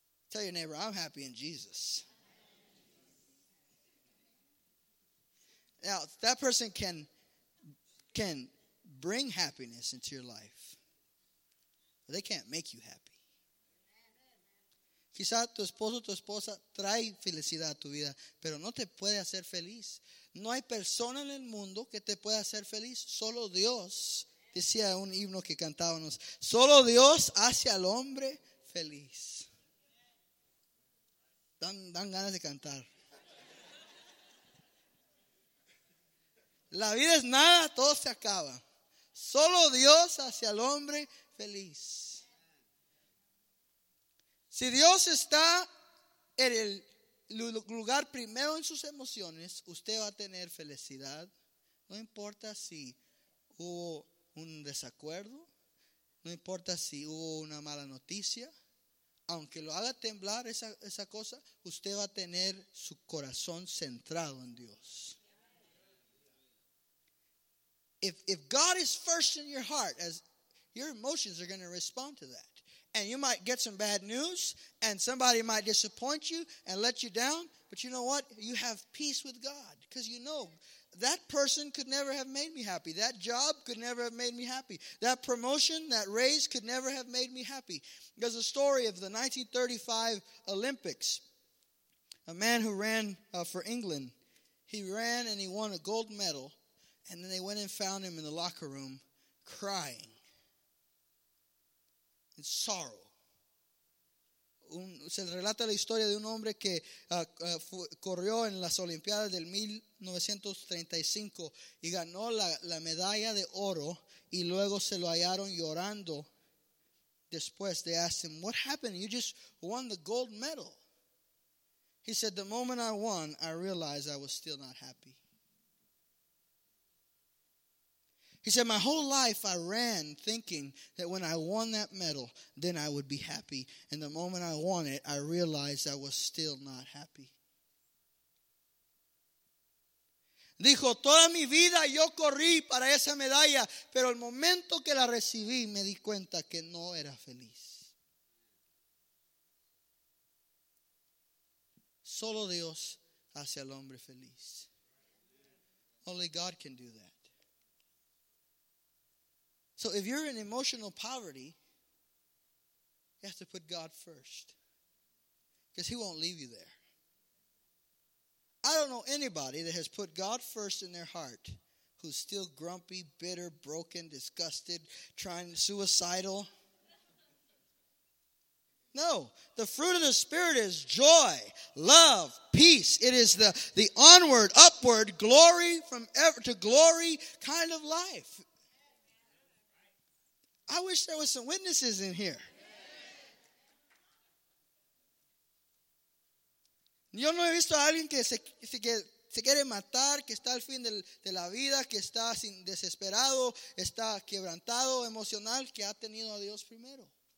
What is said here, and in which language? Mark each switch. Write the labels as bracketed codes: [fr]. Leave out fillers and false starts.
[en] Tell your neighbor, I'm happy in Jesus. Now, that person can bring happiness into your life. But they can't make you happy. [es] Quizá tu esposo o tu esposa trae felicidad a tu vida, pero no te puede hacer feliz. No hay persona en el mundo que te pueda hacer feliz, solo Dios, decía un himno que cantábamos, solo Dios hace al hombre feliz. Dan ganas de cantar. La vida es nada, todo se acaba. Solo Dios hace al hombre feliz. Si Dios está en el lugar primero en sus emociones, usted va a tener felicidad. No importa si hubo un desacuerdo, no importa si hubo una mala noticia, aunque lo haga temblar esa cosa, usted va a tener su corazón centrado en Dios. [en] If God is first in your heart, as your emotions are going to respond to that. And you might get some bad news, and somebody might disappoint you and let you down. But you know what? You have peace with God. Because you know, that person could never have made me happy. That job could never have made me happy. That promotion, that raise could never have made me happy. There's a story of the 1935 Olympics. A man who ran for England. He ran and he won a gold medal. And then they went and found him in the locker room crying. En sorrow. [es] Se relata la historia de un hombre que corrió en las Olimpiadas del 1935 y ganó la medalla de oro y luego se lo hallaron llorando después. [en] They asked him, "What happened? You just won the gold medal." He said, "The moment I won, I realized I was still not happy." He said, "My whole life I ran thinking that when I won that medal, then I would be happy. And the moment I won it, I realized I was still not happy." [es] Dijo, "Toda mi vida yo corrí para esa medalla, pero el momento que la recibí me di cuenta que no era feliz." Solo Dios hace al hombre feliz. [en] Only God can do that. So if you're in emotional poverty, you have to put God first. Because he won't leave you there. I don't know anybody that has put God first in their heart who's still grumpy, bitter, broken, disgusted, trying, suicidal. No, the fruit of the Spirit is joy, love, peace. It is the onward, upward, glory from ever to glory kind of life. I wish there was some witnesses in here. [es] Yo no he visto a alguien que se quiere matar, que está al fin de la vida, que está desesperado, está quebrantado, emocional, que ha tenido a Dios primero.